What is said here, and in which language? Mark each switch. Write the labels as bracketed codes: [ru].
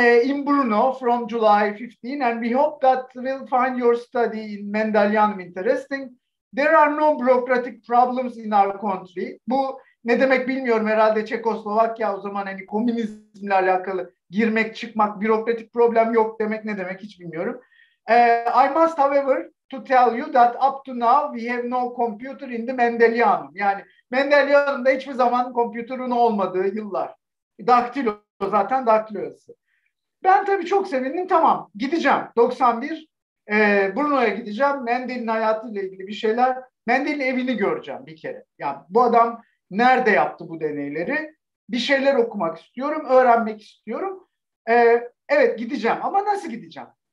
[en] In Brno from July 15 and we hope that we'll find your study in Mendelianum interesting. There are no bureaucratic problems in our country. [tr] Bu ne demek bilmiyorum herhalde Çekoslovakya o zaman hani komünizmle alakalı girmek çıkmak bürokratik problem yok demek ne demek hiç bilmiyorum. [en] I must however to tell you that up to now we have no computer in the Mendelianum. [tr] Yani Mendelianum'da hiçbir zaman kompüterin olmadığı yıllar. Daktilo zaten daktilo yazısı. Ben tabii çok sevindim. Tamam, gideceğim. 91 Bruno'ya gideceğim. Mendel'in hayatıyla ilgili bir şeyler. Mendel'in evini göreceğim bir kere. Yani bu adam nerede yaptı bu deneyleri? Bir şeyler okumak istiyorum, öğrenmek istiyorum. Evet, gideceğim. Ama nasıl gideceğim?